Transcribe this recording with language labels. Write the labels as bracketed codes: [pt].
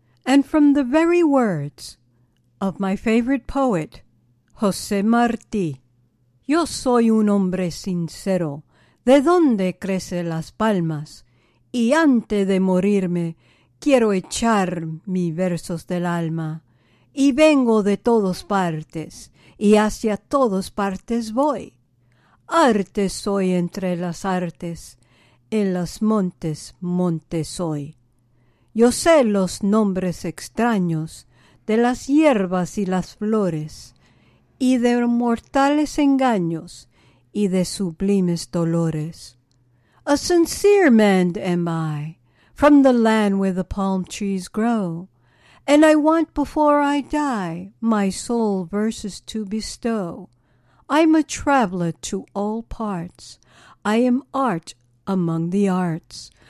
[en] And from the very words of my favorite poet, José Martí. [es] Yo soy un hombre sincero, de donde crece las palmas, y antes de morirme, quiero echar mis versos del alma. Y vengo de todas partes, y hacia todas partes voy. Arte soy entre las artes, en los montes, monte soy. Yo sé los nombres extraños de las hierbas y las flores, y de mortales engaños y de sublimes dolores. [en] A sincere man am I, from the land where the palm trees grow, and I want before I die my soul verses to bestow. I'm a traveler to all parts, I am art among the arts.